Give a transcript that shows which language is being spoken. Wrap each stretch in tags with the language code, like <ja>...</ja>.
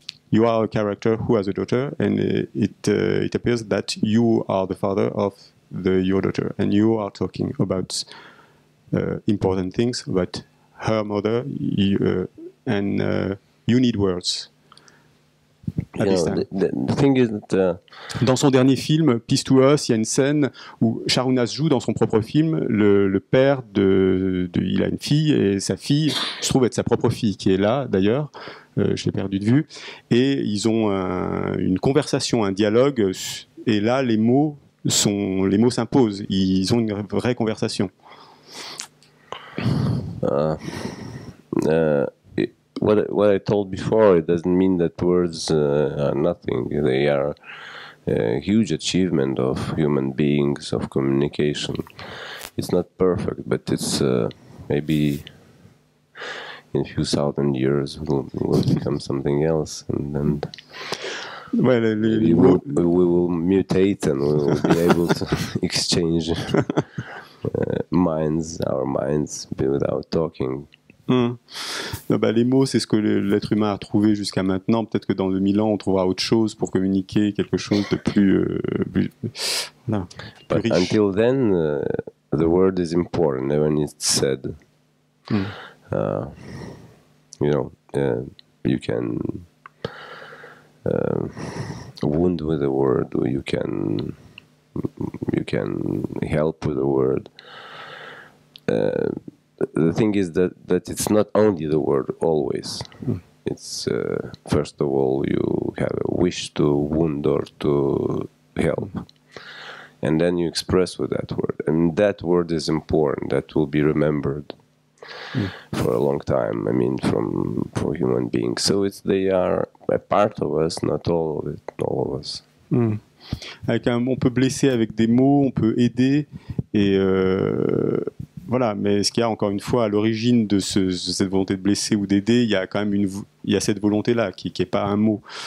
<en>You are a character who has a daughter, and it appears that you are the father of your daughter, and you are talking about important things, but her mother, you need words.</en> <fr>Dans son dernier film, Peace to Us, il y a une scène où Sharunas joue dans son propre film le père de il a une fille et sa fille se trouve être sa propre fille qui est là d'ailleurs, je l'ai perdu de vue, et ils ont une conversation, un dialogue, et là les mots s'imposent, ils ont une vraie conversation.</fr> <en>What I told before, it doesn't mean that words are nothing. They are a huge achievement of human beings, of communication. It's not perfect, but it's maybe in a few thousand years will become something else, and then we will mutate and we will be able to exchange our minds without talking.</en> <fr>Non, bah, les mots, c'est ce que l'être humain a trouvé jusqu'à maintenant. Peut-être que dans 2000 ans, on trouvera autre chose pour communiquer, quelque chose de plus, plus riche.</fr> <en>Until then, the word is important, even if it's said. You can wound with a word, or you can help with a word. The thing is that it's not only the word always. It's first of all you have a wish to wound or to help, and then you express with that word, and that word is important. That will be remembered for a long time. I mean, for human beings. So it's, they are a part of us, not all of it, all of us.</en> <fr>Avec un, on peut blesser avec des mots, on peut aider et voilà, mais ce qu'il y a encore une fois à l'origine de cette volonté de blesser ou d'aider, il y a quand même il y a cette volonté-là qui n'est pas un mot.</fr>